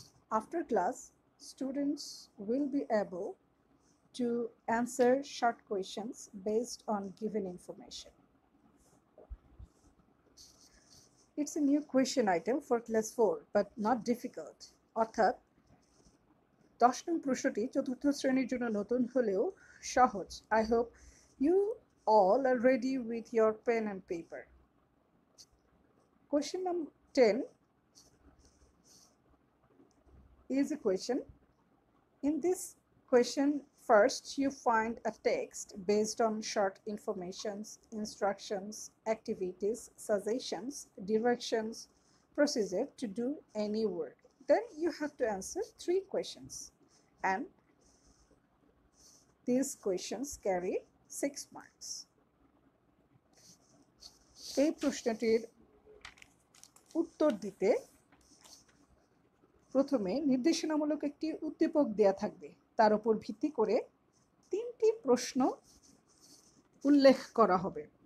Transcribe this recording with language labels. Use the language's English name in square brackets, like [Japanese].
[English] After class, students will be able to answer short questions based on given information. It's a new question item for class 4, but not difficult. [Bangla] অর্থাৎ 10 নং প্রশ্নটি চতুর্থ শ্রেণীর জন্য নতুন হলেও সহজ. [English] I hope you all are ready with your pen and paper. Question number 10 is a question. In this question, first you find a text based on short informations, instructions, activities, suggestions, directions, procedure to do any work. Then you have to answer three questions, and these questions carry 6 marks. [Bangla] এই প্রশ্নটির উত্তর দিতে প্রথমে নির্দেশনামূলক একটি উদ্দীপক দেয়া থাকবে, তার উপর ভিত্তি করে তিনটি প্রশ্ন উল্লেখ করা হবে।